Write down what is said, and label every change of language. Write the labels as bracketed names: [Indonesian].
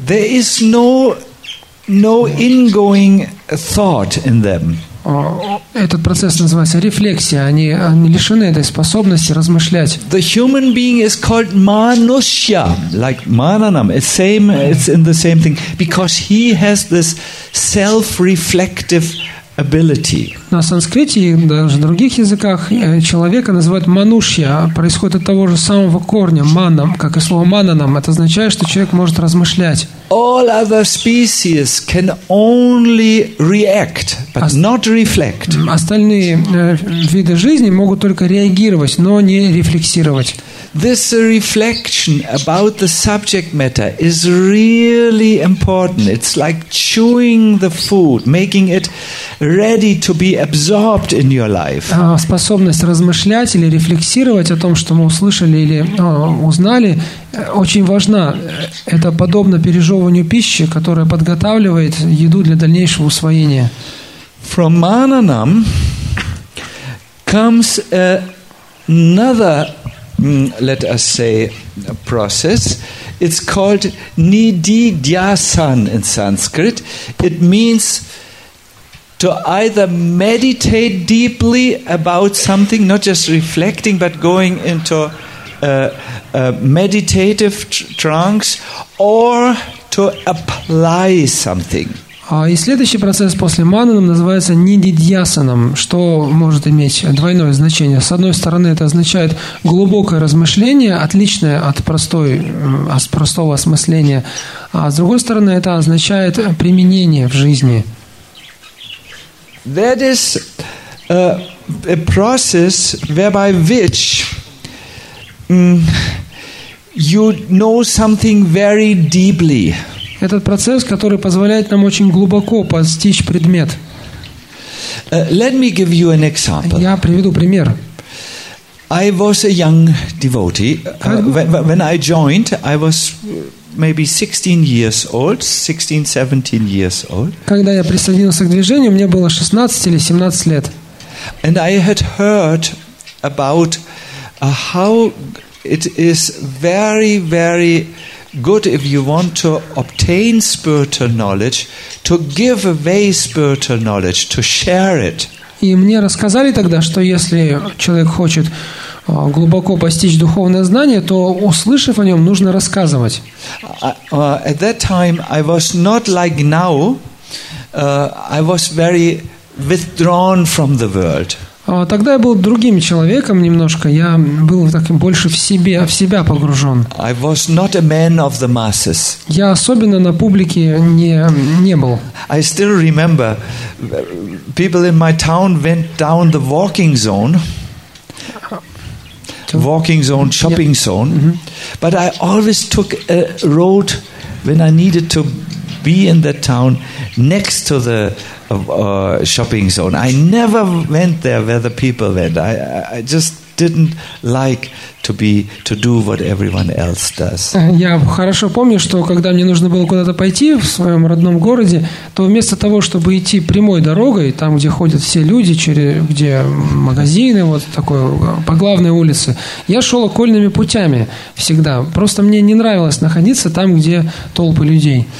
[English] There is no ingoing thought in them. [Russian] Этот процесс называется рефлексия. Они лишены этой способности размышлять. [English] The human being is called manushya, like mananam. It's in the same thing, because he has this self-reflective ability. [Russian] На санскрите и даже на других языках человека называют манушья. Происходит от того же самого корня манам, как и слово мананам. Это означает, что человек может размышлять. [English] All other species can only react, but not reflect. [Russian] Остальные виды жизни могут только реагировать, но не рефлексировать. [English] This reflection about the subject matter is really important. It's like chewing the food, making it ready to be absorbed in your life. [Russian] Способность размышлять или рефлексировать о том, что мы услышали или узнали, очень важна. Это подобно пережевыванию пищи, которая подготавливает еду для дальнейшего усвоения. [English] From mananam comes another, let us say, process. It's called nididhyasan in Sanskrit. It means to either meditate deeply about something, not just reflecting, but going into a meditative trance, or to apply something. [Russian] И следующий процесс после мананам называется нидидьясанам, что может иметь двойное значение. С одной стороны, это означает глубокое размышление, отличное от простого осмысления. А с другой стороны, это означает применение в жизни. [English] That is a process whereby which you know something very deeply. [Russian] Этот процесс, который позволяет нам очень глубоко постичь предмет. [English] Let me give you an example. [Russian] Я приведу пример. [English] I was a young devotee. When I joined, I was maybe 16, 17 years old. [Russian] Когда я присоединился к движению, мне было 16 или 17 лет. [English] And I had heard about how it is very, very good if you want to obtain spiritual knowledge, to give away spiritual knowledge, to share it. [Russian] И мне рассказали тогда, что если человек хочет глубоко постичь духовное знание, то, услышав о нем, нужно рассказывать. [English] At that time I was not like now. I was very withdrawn from the world. [Russian] Тогда я был другим человеком немножко. Я был так больше в себя погружен. [English] I was not a man of the masses. [Russian] Я особенно на публике не был. [English] I still remember people in my town went down the walking zone. Walking zone, shopping zone. But I always took a road when I needed to be in that town next to the shopping zone. I never went there where the people went. I just didn't like to do what everyone else does. [Russian] Я хорошо помню, что когда мне нужно было куда-то пойти в своем родном городе, то вместо того, чтобы идти прямой дорогой, там, где ходят все люди, где магазины, вот такой, по главной улице, я шел окольными путями всегда. Просто мне не нравилось находиться там, где толпы людей.